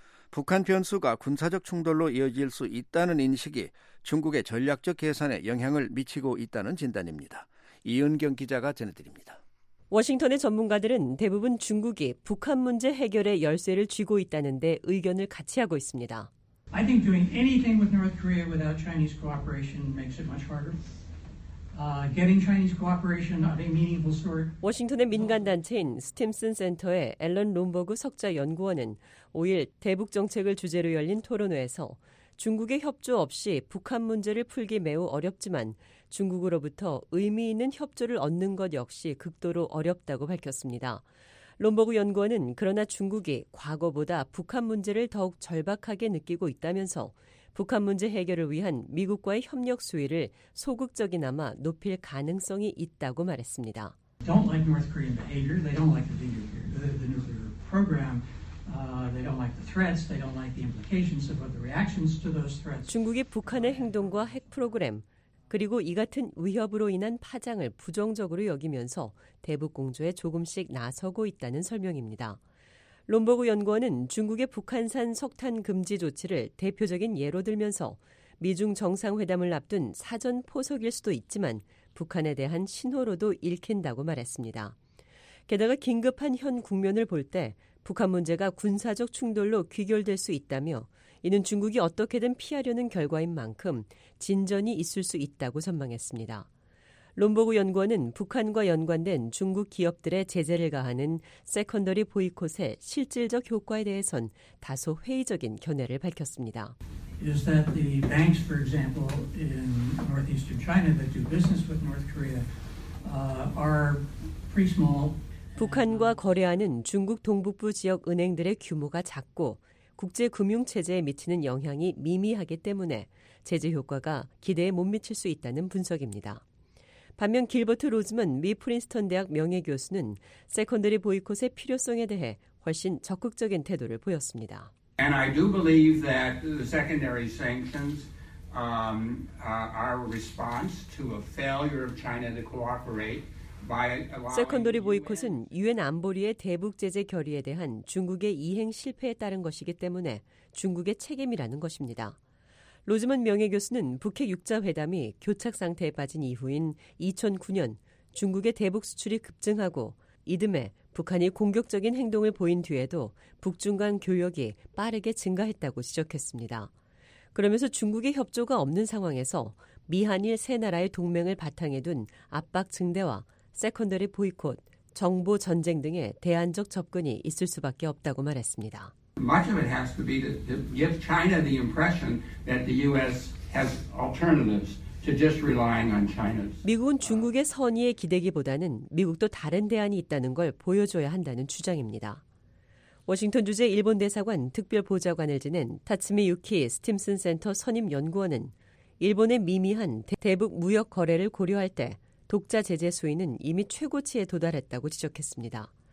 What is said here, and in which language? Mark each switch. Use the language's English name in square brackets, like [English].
[Korean] 북한 변수가 군사적 충돌로 이어질 수 있다는 인식이 중국의 전략적 계산에 영향을 미치고 있다는 진단입니다. 이은경 기자가 전해드립니다. 워싱턴의 전문가들은 대부분 중국이 북한 문제 해결에 열쇠를 쥐고 있다는 데 의견을 같이 하고 있습니다. [English] I think doing anything with North Korea without Chinese cooperation makes it much harder. Getting Chinese cooperation of a meaningful sort. [Korean] 워싱턴의 민간 단체인 스팀슨 센터의 앨런 롬버그 석좌 연구원은 5일 대북 정책을 주제로 열린 토론회에서 중국의 협조 없이 북한 문제를 풀기 매우 어렵지만 중국으로부터 의미 있는 협조를 얻는 것 역시 극도로 어렵다고 밝혔습니다. 롬버그 연구원은 그러나 중국이 과거보다 북한 문제를 더욱 절박하게 느끼고 있다면서 북한 문제 해결을 위한 미국과의 협력 수위를 소극적이나마 높일 가능성이 있다고 말했습니다. [English] Don't like North Korean behavior. They don't like the nuclear program. They don't like the threats. They don't like the implications of the reactions to those threats. [Korean] 중국이 북한의 행동과 핵 프로그램 그리고 이 같은 위협으로 인한 파장을 부정적으로 여기면서 대북 공조에 조금씩 나서고 있다는 설명입니다. 롬버그 연구원은 중국의 북한산 석탄 금지 조치를 대표적인 예로 들면서 미중 정상회담을 앞둔 사전 포석일 수도 있지만 북한에 대한 신호로도 읽힌다고 말했습니다. 게다가 긴급한 현 국면을 볼 때 북한 문제가 군사적 충돌로 귀결될 수 있다며 이는 중국이 어떻게든 피하려는 결과인 만큼 진전이 있을 수 있다고 전망했습니다. 롬버그 연구원은 북한과 연관된 중국 기업들의 제재를 가하는 세컨더리 보이콧의 실질적 효과에 대해선 다소 회의적인 견해를 밝혔습니다. [English] Is that the banks, for example, in northeastern China that do business with North Korea are pretty small? [Korean] 북한과 거래하는 중국 동북부 지역 은행들의 규모가 작고 국제금융체제에 미치는 영향이 미미하기 때문에 제재 효과가 기대에 못 미칠 수 있다는 분석입니다. 반면 길버트 로즈먼 미 프린스턴 대학 명예교수는 세컨더리 보이콧의 필요성에 대해 훨씬 적극적인 태도를 보였습니다. [English] And I do believe that the secondary sanctions are a response to a failure of China to cooperate. [Korean] 세컨더리 보이콧은 유엔 안보리의 대북 제재 결의에 대한 중국의 이행 실패에 따른 것이기 때문에 중국의 책임이라는 것입니다. 로즈먼 명예교수는 북핵 6자 회담이 교착 상태에 빠진 이후인 2009년 중국의 대북 수출이 급증하고 이듬해 북한이 공격적인 행동을 보인 뒤에도 북중 간 교역이 빠르게 증가했다고 지적했습니다. 그러면서 중국의 협조가 없는 상황에서 미한일 세 나라의 동맹을 바탕에 둔 압박 증대와 세컨더리 보이콧, 정보 전쟁 등의 대안적 접근이 있을 수밖에 없다고 말했습니다. [English] Much of it has to be to give China the impression that the U.S. has alternatives to just relying on China. [Korean] 미국은 중국의 선의에 기대기보다는 미국도 다른 대안이 있다는 걸 보여줘야 한다는 주장입니다. 워싱턴 주재 일본 대사관 특별 보좌관을 지낸 타츠미 유키 스팀슨 센터 선임 연구원은 일본의 미미한 대북 무역 거래를 고려할 때 독자 제재 수위는 이미 최고치에 도달했다고 지적했습니다.